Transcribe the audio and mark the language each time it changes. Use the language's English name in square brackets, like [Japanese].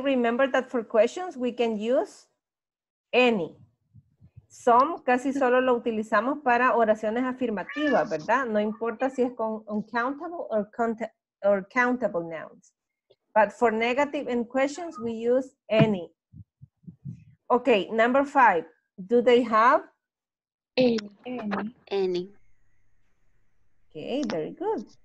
[English] Remember that for questions, we can use any. [Spanish] Some casi solo lo utilizamos para oraciones afirmativas, ¿verdad? No importa si es con [English] uncountable or countable nouns. But for negative and questions, we use any. Okay, number five. Do they have? Any. Okay, very good.